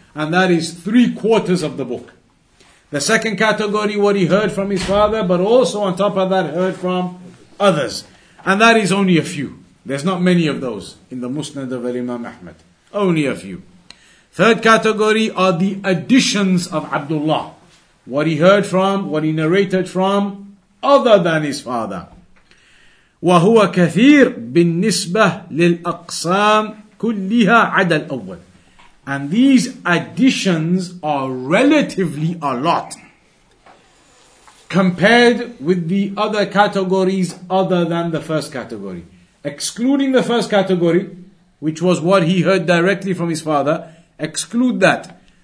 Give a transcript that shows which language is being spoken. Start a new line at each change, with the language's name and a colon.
English: And that is three quarters of the book. The second category, what he heard from his father, but also on top of that heard from others. And that is only a few. There's not many of those in the Musnad of Imam Ahmad. Only a few. Third category are the additions of Abdullah. What he heard from, what he narrated from, other than his father.
Arabic: وهو كثير بالنسبة للأقسام كلها عدا الأول.
English: And these additions are relatively a lot compared with the other categories other than the first category. Excluding the first category, which was what he heard directly from his father, exclude that.